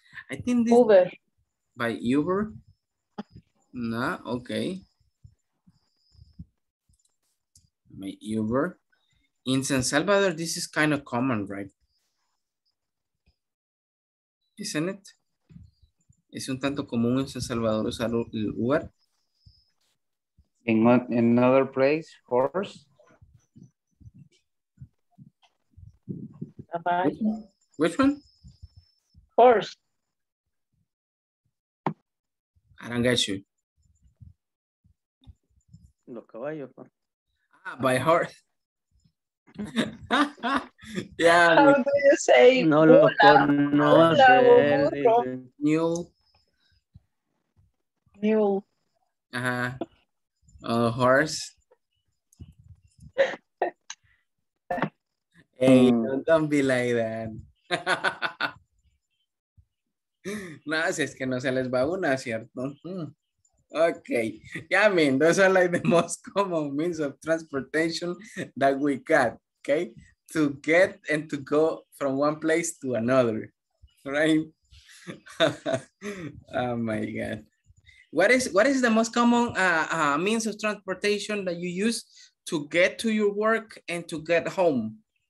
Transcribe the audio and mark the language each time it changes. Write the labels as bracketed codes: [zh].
[en] I think this Uber. By Uber? No, okay. My Uber. In San Salvador, this is kind of common, right? Isn't it? [es] Es un tanto común en San Salvador usar el Uber. [en] In another place, horse. Which one? Horse. I don't get you. [es] Los caballos, man. [en] By horse. Yeah. How do you say? [es] No lo conoce. [en] Mule. Uh-huh. Horse. Hey, don't be like that. [es] No, si es que no se les va una, ¿cierto? [en] Okay, yeah, I mean, those are like the most common means of transportation that we got, okay? To get and to go from one place to another, right? Oh my God. What is the most common means of transportation that you use to get to your work and to get home?